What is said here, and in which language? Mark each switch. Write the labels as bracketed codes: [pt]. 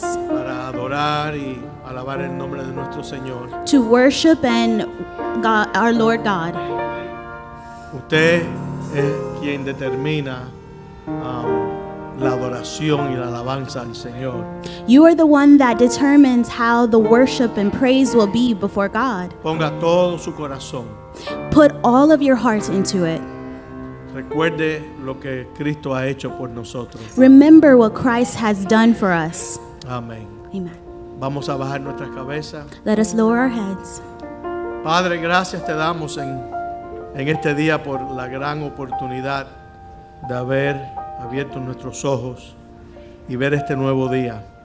[es] Para adorar y alabar el nombre de nuestro Señor. [en] To worship and God, our Lord God. [es] Usted es quien determina la adoración y la alabanza al Señor. [en] You are the one that determines how the worship and praise will be before God. [es] Ponga todo su corazón. [en] Put all of your heart into it. [es] Recuerde lo que Cristo ha hecho por nosotros. [en] Remember what Christ has done for us. [es] Amén. [en] Amen. [es] Vamos a bajar nuestras cabezas. [en] Let us lower our heads. [es] Padre, gracias te damos en este día por la gran oportunidad de haber abierto nuestros ojos y ver este nuevo día.